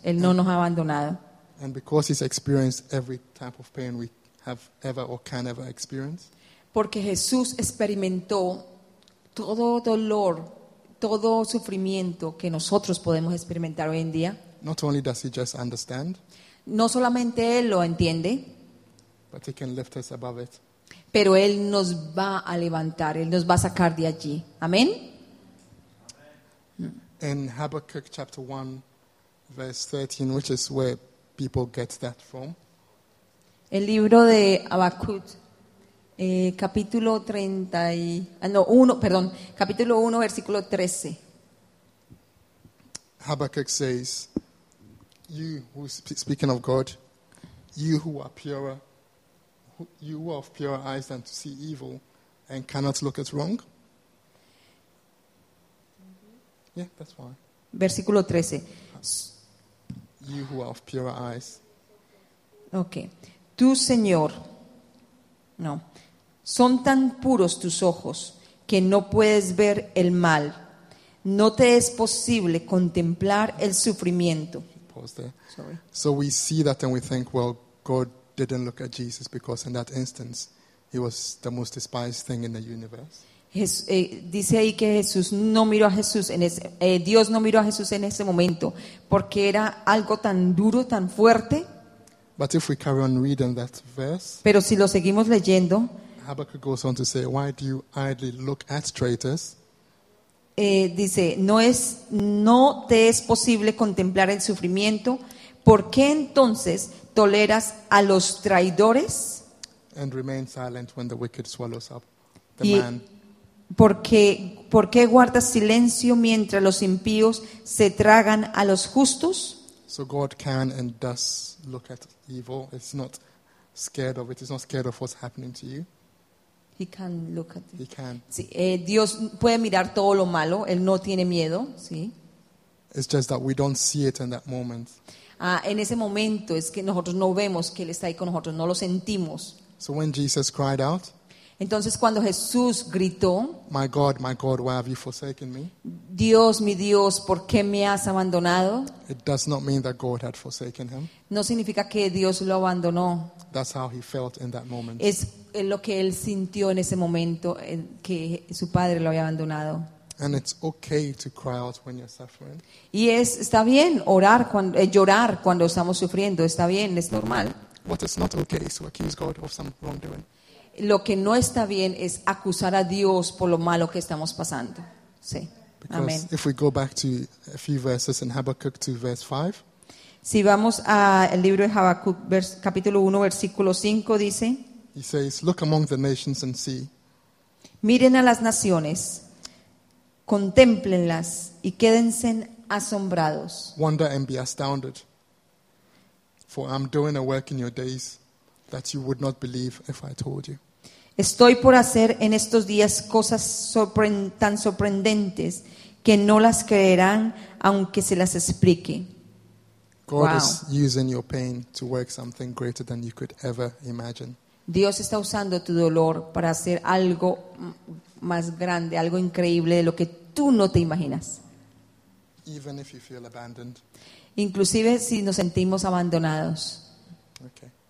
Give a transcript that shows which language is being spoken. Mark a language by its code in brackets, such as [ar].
[es] Él no nos ha abandonado. [en] And because He's experienced every type of pain we have ever or can ever experience. [es] Porque Jesús experimentó todo dolor, todo sufrimiento que nosotros podemos experimentar hoy en día. [en] Not only does He just understand. [es] No solamente Él lo entiende. [en] But He can lift us above it. [es] Pero Él nos va a levantar, Él nos va a sacar de allí. Amén. [en] In Habakkuk chapter 1, verse 13, which is where people get that from. [es] El libro de Habacuc, capítulo 30, no, 1, perdón, capítulo 1, versículo 13. [en] Habakkuk says, you who, speaking of God, you who are purer, you who are of purer eyes than to see evil and cannot look at wrong. Yeah, that's fine. [es] Versículo 13. [en] You who are of pure eyes. [es] Okay. Tú, Señor. No. Son tan puros tus ojos que no puedes ver el mal. No te es posible contemplar el sufrimiento. [en] Pause there. Sorry. So we see that and we think, well, God didn't look at Jesus because in that instance He was the most despised thing in the universe. [es] Dice ahí que Jesús no miró a Jesús en ese, Dios no miró a Jesús en ese momento porque era algo tan duro, tan fuerte. [en] But if we carry on reading that verse, [es] pero si lo seguimos leyendo, [en] Habakkuk goes on to say, why do you idly look at traitors? [es] Dice, no te es posible contemplar el sufrimiento. ¿Por qué entonces toleras a los traidores? [en] And remain silent when the wicked swallows up the man. [es] ¿Por qué guardas silencio mientras los impíos se tragan a los justos? [en] So God can and does look at evil. It's not scared of it. It's not scared of what's happening to you. He can look at it. He can. [es] Sí, Dios puede mirar todo lo malo. Él no tiene miedo. Sí. [en] It's just that we don't see it in that moment. [es] En ese momento es que nosotros no vemos que Él está ahí con nosotros. No lo sentimos. [en] So when Jesus cried out, [es] entonces cuando Jesús gritó, [en] my God, why have you forsaken me? [es] Dios, mi Dios, ¿por qué me has abandonado? [en] It does not mean that God had forsaken him. [es] No significa que Dios lo abandonó. [en] That's how he felt in that moment. [es] Es lo que él sintió en ese momento, que su padre lo había abandonado. [en] And it's okay to cry out when you're suffering. [es] Y está bien orar cuando llorar cuando estamos sufriendo, está bien, es normal. [en] But it's not okay to accuse God of some wrongdoing. [es] Lo que no está bien es acusar a Dios por lo malo que estamos pasando. Sí. [en] Because Amen. If we go back to a few verses in Habakkuk 2, verse 5. [es] Si vamos al libro de Habacuc, capítulo 1, versículo 5, dice. [en] He says, look among the nations and see. [es] Miren a las naciones, contemplenlas y quédense asombrados. [en] Wonder and be astounded. For I'm doing a work in your days that you would not believe if I told you. [es] Estoy por hacer en estos días cosas tan sorprendentes que no las creerán aunque se las explique. [en] God is using your pain to work something greater than you could ever imagine. [es] Dios está usando tu dolor para hacer algo más grande, algo increíble de lo que tú no te imaginas. [en] Even if you feel abandoned. [es] Inclusive si nos sentimos abandonados. [en] Okay.